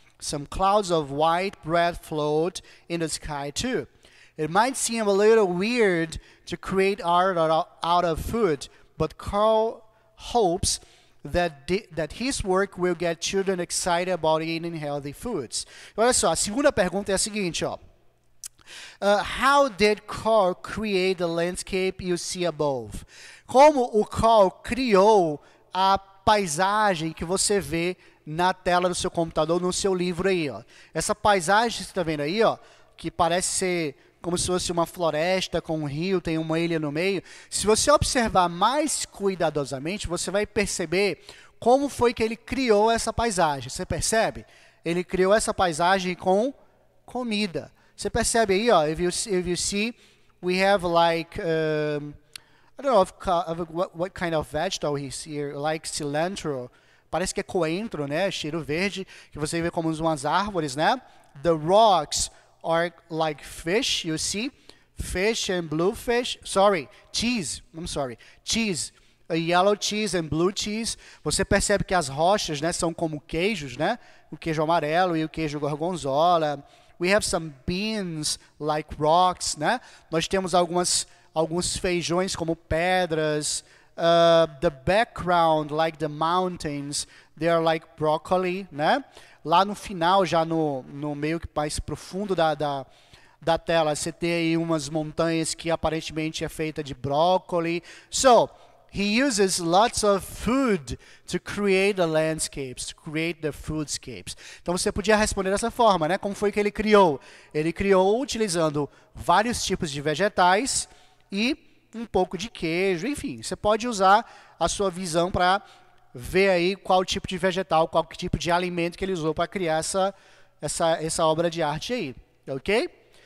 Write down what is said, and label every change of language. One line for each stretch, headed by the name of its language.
English: Some clouds of white bread float in the sky too. It might seem a little weird to create art out of food, but Carl hopes that his work will get children excited about eating healthy foods.
Portuguese: Olha só, a segunda pergunta é a seguinte, ó.
English: How did Carl create the landscape you see above?
Portuguese: Como o Carl criou a paisagem que você vê na tela do seu computador, no seu livro aí, ó. Essa paisagem que você está vendo aí, ó, que parece ser como se fosse uma floresta com um rio, tem uma ilha no meio. Se você observar mais cuidadosamente, você vai perceber como foi que ele criou essa paisagem. Você percebe? Ele criou essa paisagem com comida. Você percebe aí, ó,
English: if you see, we have like, I don't know what kind of vegetable is here, like cilantro.
Portuguese: Parece que é coentro, né? Cheiro verde, que você vê como umas árvores, né?
English: The rocks are like fish, you see? Fish and blue fish. Sorry, cheese. I'm sorry. Cheese. A yellow cheese and blue cheese.
Portuguese: Você percebe que as rochas, né, são como queijos, né? O queijo amarelo e o queijo gorgonzola.
English: We have some beans like rocks,
Portuguese: né? Nós temos alguns feijões como pedras.
English: The background, like the mountains, they are like broccoli,
Portuguese: né? Lá no final, já no meio que mais profundo da tela, você tem aí umas montanhas que aparentemente é feita de brócoli.
English: So, he uses lots of food to create the landscapes, to create the foodscapes.
Portuguese: Então, você podia responder dessa forma, né? Como foi que ele criou? Ele criou utilizando vários tipos de vegetais e um pouco de queijo, enfim. Você pode usar a sua visão para ver aí qual tipo de vegetal, qual tipo de alimento que ele usou para criar essa obra de arte aí, ok?